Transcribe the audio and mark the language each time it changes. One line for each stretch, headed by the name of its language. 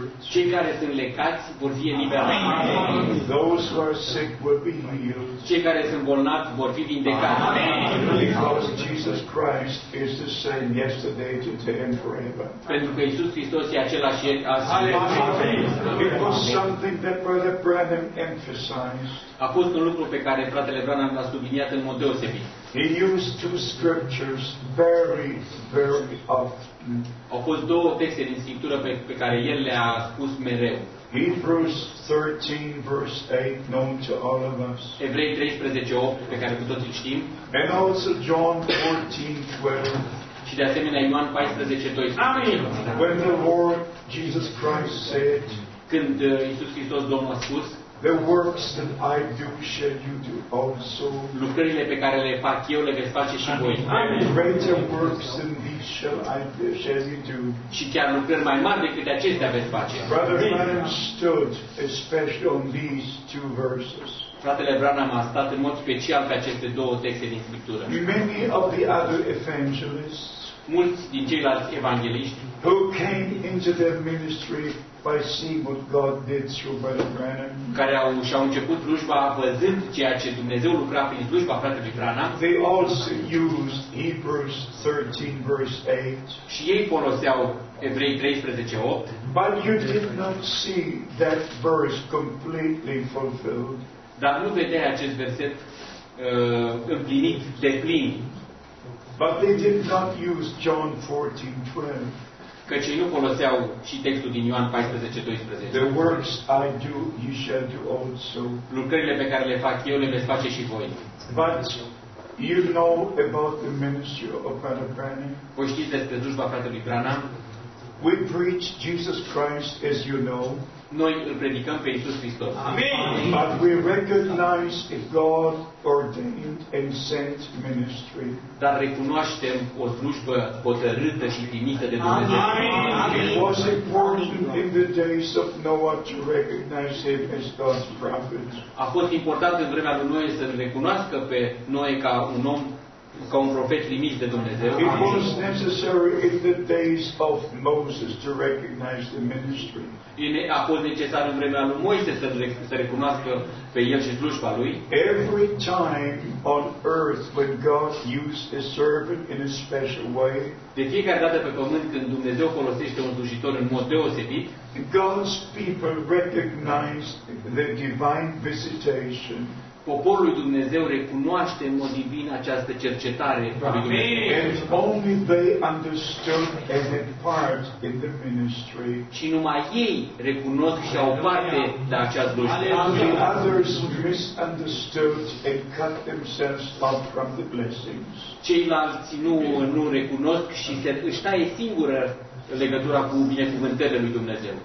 Romanian: Cei care sunt lecați vor fi eliberați. Cei care sunt bolnavi vor fi vindecați.
English: Because Jesus Christ is the same yesterday, today and forever.
Romanian: Pentru că Iisus Hristos e același ieri, azi și veșnic.
English: It was something that Brother Branham emphasized.
Romanian: A fost un lucru pe care fratele Branham l-a subliniat în mod deosebit.
English: He used two scriptures very, very often.
Romanian: Au fost două texte din Scriptură pe care el le-a spus mereu.
English: Hebrews 13, verse 8, known to all of us.
Romanian: Evrei 13:8, pe care cu toții știm.
English: And also John 14:12.
Romanian: Și de asemenea Ioan 14:12.
English: When the Lord Jesus Christ said,
Romanian: când Iisus Hristos Domnul a spus,
English: the works that I do shall you do also.
Romanian: Lucrările pe care le fac eu le veți face și voi.
English: Greater works than these shall you do.
Romanian: Și chiar lucrări mai mari decât acestea veți face.
English: Brother Branham stood especially on these two verses.
Romanian: Fratele Branham a stat în mod special pe aceste două texte din Scriptură.
English: Many of the other evangelists.
Romanian: Mulți din ceilalți evangeliști.
English: Who came into their ministry by seeing what God did through Brother Branham.
Romanian: Care au început slujba văzând ceea ce Dumnezeu lucra prin slujba fratelui Branham.
English: They also used Hebrews 13 verse 8.
Romanian: Și ei foloseau Evrei 13:8.
English: But you did not see that verse completely fulfilled.
Romanian: Dar nu vedeai acest verset împlinit de plin.
English: But they did not use John 14:12.
Romanian: Căci ei nu foloseau și textul din Ioan 14:12.
English: The works I do, you shall do also.
Romanian: Lucrările pe care le fac eu le veți face și voi.
English: But you know about the ministry of Brother Branham.
Romanian: Voi știți despre slujba fratelui Branham.
English: We preach Jesus Christ, as you know.
Romanian: Noi îl predicăm pe Iisus Hristos.
English: Amen. But we recognize a God ordained and sent ministry.
Romanian: Dar recunoaștem o slujbă hotărâtă și primită de Dumnezeu.
English: Amen. It was important in the days of Noah to recognize him as God's prophet.
Romanian: A fost important în vremea lui Noe să-l recunoască pe Noe ca un om, ca un profet primit de Dumnezeu.
English: It was necessary in the days of Moses to recognize the ministry.
Romanian: A fost necesar în vremea lui Moise să recunoască pe el și slujba lui.
English: Every time on earth when God used a servant in a special way.
Romanian: De fiecare dată pe pământ când Dumnezeu folosește un slujitor în mod deosebit,
English: God's people recognized the divine visitation.
Romanian: Poporul lui Dumnezeu recunoaște în mod divin această cercetare a lui Dumnezeu.
English: And only they understood and had part in the ministry.
Romanian: Și numai ei recunosc și au parte de această slujbă.
English: Others misunderstood and cut themselves off from the blessings.
Romanian: Ceilalți nu recunosc și își taie singură legătura cu binecuvântările lui Dumnezeu.